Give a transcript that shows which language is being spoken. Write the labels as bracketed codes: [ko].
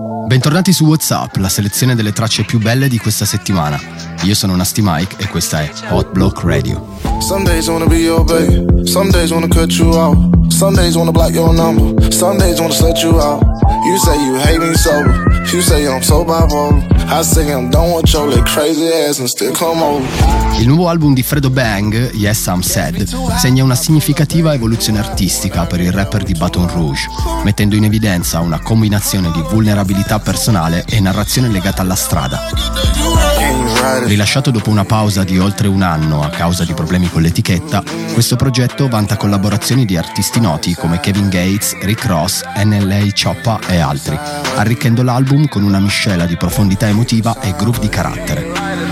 [it] Bentornati su WhatsApp, la selezione delle tracce più belle di questa settimana. Io sono Nasty Mike e questa è Hot Block Radio. [en] Some days wanna be your babe, some days wanna cut you off, some days wanna block your number, some days wanna set you out. You say you hate me so, you say I'm so bipolar. I say I'm done with your like crazy ass and still come over. [it] Il nuovo album di Fredo Bang, Yes I'm Sad, segna una significativa evoluzione artistica per il rapper di Baton Rouge, mettendo in evidenza una combinazione di vulnerabilità personale e narrazione legata alla strada. Rilasciato dopo una pausa di oltre un anno a causa di problemi con l'etichetta, questo progetto vanta collaborazioni di artisti noti come Kevin Gates, Rick Ross, NLA Choppa e altri, arricchendo l'album con una miscela di profondità emotiva e groove di carattere.